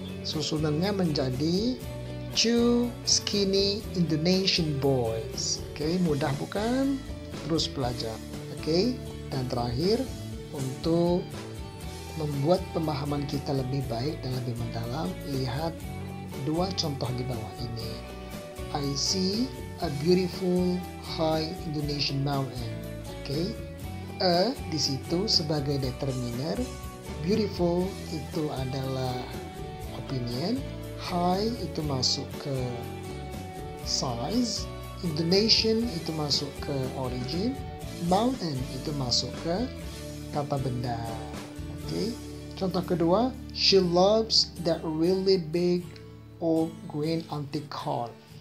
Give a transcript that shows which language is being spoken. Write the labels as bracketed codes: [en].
[id] susunannya menjadi [en] two skinny Indonesian boys. [id] Oke, mudah bukan? Terus belajar. Oke, dan terakhir untuk membuat pemahaman kita lebih baik dan lebih mendalam, lihat dua contoh di bawah ini. [en] I see a beautiful high Indonesian mountain. [id] Oke, a di situ sebagai determiner, beautiful itu adalah opinion, high itu masuk ke size, Indonesian itu masuk ke origin, mountain itu masuk ke kata benda. Oke, contoh kedua, [en] she loves that really big old green antique car.